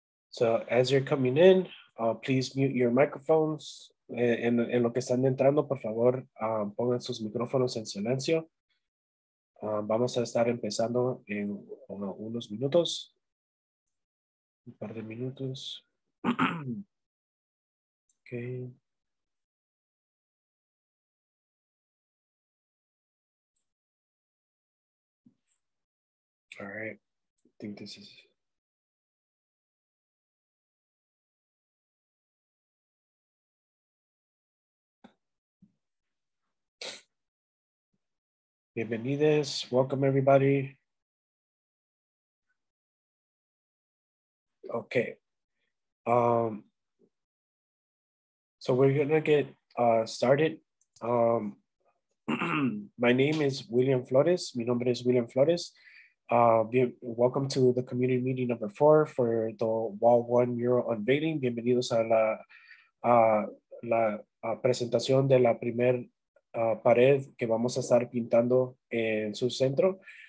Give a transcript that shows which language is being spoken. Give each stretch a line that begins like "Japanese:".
English: So as you're coming in, please mute your microphones.
Spanish: En lo que están entrando, por favor, pongan sus micrófonos en silencio. Vamos a estar empezando en unos minutos, un par de minutos.
English: Okay. All right. I think this is...
Spanish: Bienvenidos,
English: welcome everybody. Okay. So we're gonna get started. my name is William Flores.
Spanish: Mi nombre es William Flores.
English: Welcome to the community meeting number 4 for the Wall 1 mural unveiling.
Spanish: Bienvenidos a la presentación de la primer pared que vamos a estar pintando en su centro.